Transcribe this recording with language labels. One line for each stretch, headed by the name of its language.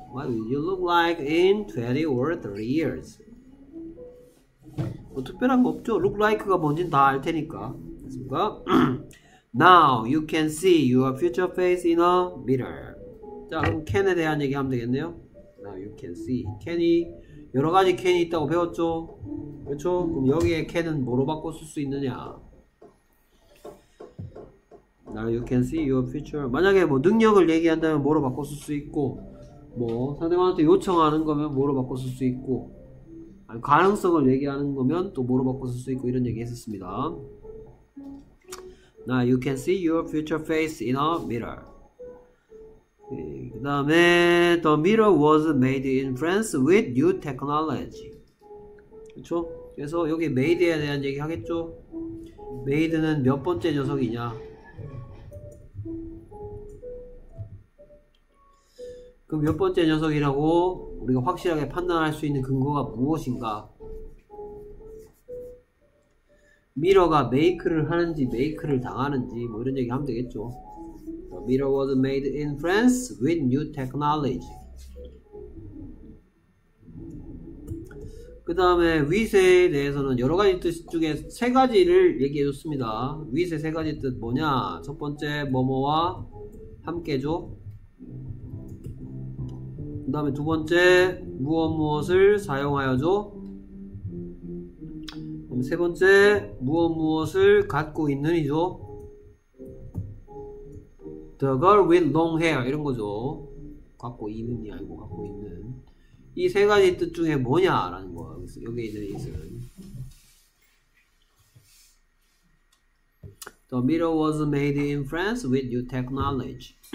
English: What will you look like in 20 or 30 years?
Korean: 뭐 특별한 거 없죠. look like가 뭔진 다 알 테니까. 됐습니까?
English: Now you can see your future face in a mirror.
Korean: 자, 그럼 can에 대한 얘기 하면 되겠네요.
English: Now you can see.
Korean: can이 여러 가지 can이 있다고 배웠죠. 그렇죠? 그럼 여기에 can은 뭐로 바꿔 쓸 수 있느냐?
English: Now you can see your future.
Korean: 만약에 뭐 능력을 얘기한다면 뭐로 바꿔 쓸 수 있고, 뭐 상대방한테 요청하는 거면 뭐로 바꿔 쓸 수 있고, 아니 가능성을 얘기하는 거면 또 뭐로 바꿔 쓸 수 있고 이런 얘기 했었습니다.
English: Now you can see your future face in a mirror.
Korean: 그 다음에
English: the mirror was made in France with new technology.
Korean: 그렇죠? 그래서 여기 made에 대한 얘기 하겠죠? made는 몇 번째 녀석이냐? 그 몇 번째 녀석이라고 우리가 확실하게 판단할 수 있는 근거가 무엇인가? 미러가 메이크를 하는지 메이크를 당하는지 뭐 이런 얘기 하면 되겠죠.
English: The mirror was made in France with new technology.
Korean: 그 다음에 with에 대해서는 여러 가지 뜻 중에 세 가지를 얘기해 줬습니다. with의 세 가지 뜻 뭐냐? 첫 번째 뭐뭐와 함께죠. 그 다음에 두 번째 무엇무엇을 사용하여줘. 세 번째 무엇무엇을 갖고 있는이죠.
English: The girl with long hair
Korean: 이런 거죠. 갖고 있는이 아니고 갖고 있는. 이 세 가지 뜻 중에 뭐냐라는 거 여기 있는 뜻은.
English: The mirror was made in France with new technology.